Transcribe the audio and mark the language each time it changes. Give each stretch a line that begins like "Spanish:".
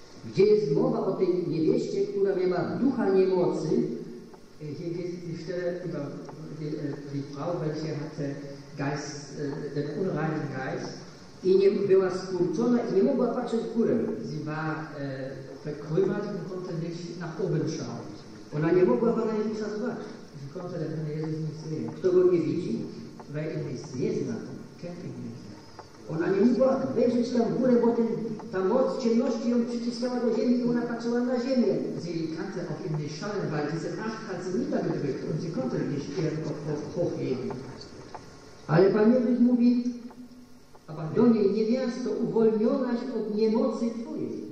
Polish: gdzie jest mowa o tej niewieście, która nie ma ducha niemocy.
German: Hier geht die Stelle über die Frau, welche hatte Geist, den unreinen Geist.
Polish: I nie była skurczona i nie mogła patrzeć w górę.
German: Sie war verkrümmert und konnte nicht nach oben schauen.
Polish: Ona nie mogła Pana Jezusa zobaczyć.
German: Sie konnte den Herrn Jesus nicht sehen.
Polish: Kto go nie widzi?
German: Weil er nicht sehen hat. Kennt ihn nicht.
Polish: Ona nie mogła wejrzeć tam w górę, bo ta moc ciemności ją przyciskała do ziemi i ona patrzyła na ziemię.
German: Sie kannte auf ihm nicht schauen, weil diese Macht hat sie niedergedrückt und sie konnte nicht ihren Kopf hochheben.
Polish: Ale Pan Jezus mówi, aber do niej, niewiasto, uwolnionaś od niemocy twojej.